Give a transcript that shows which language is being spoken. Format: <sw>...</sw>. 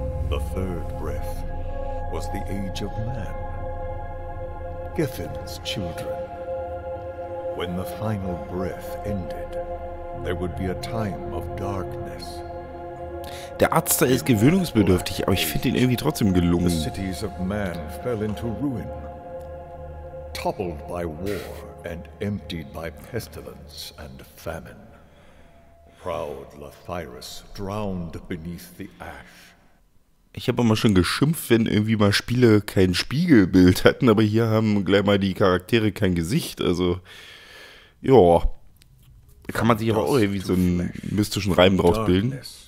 <en>The third breath was the age of man. Geffen's children. When the final breath ended, there would be a time of darkness.</en> <de>Der Arzt da ist gewöhnungsbedürftig, aber ich finde ihn irgendwie trotzdem gelungen.</de> <en>The cities of man fell into ruin, toppled by war and emptied by pestilence and famine. Proud Lathyrus drowned beneath the ash.</en> <de>Ich habe immer schon geschimpft, wenn irgendwie mal Spiele kein Spiegelbild hatten, aber hier haben gleich mal die Charaktere kein Gesicht, also, ja, da kann man sich aber auch irgendwie so einen mystischen Reim draus bilden.</de>